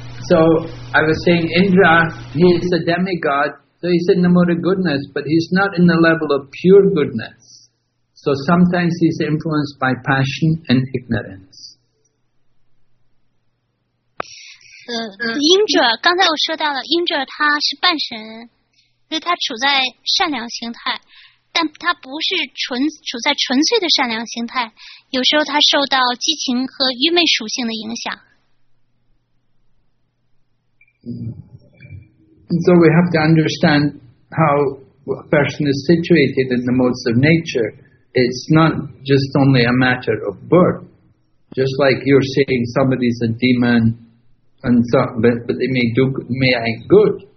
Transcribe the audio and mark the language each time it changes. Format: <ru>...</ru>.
<en>So, I was saying Indra, he is a demigod, so he's in the mode of goodness, but he's not in the level of pure goodness. So sometimes he's influenced by passion and ignorance.</en> <zh>Indra, 刚才我说到了 Indra 他是半神，所以他处在善良形态，但他不是处在纯粹的善良形态，有时候他受到激情和愚昧属性的影响。</zh> <en>So we have to understand how a person is situated in the modes of nature. It's not just only a matter of birth. Just like you're saying somebody's a demon and so, but they may act good.</en>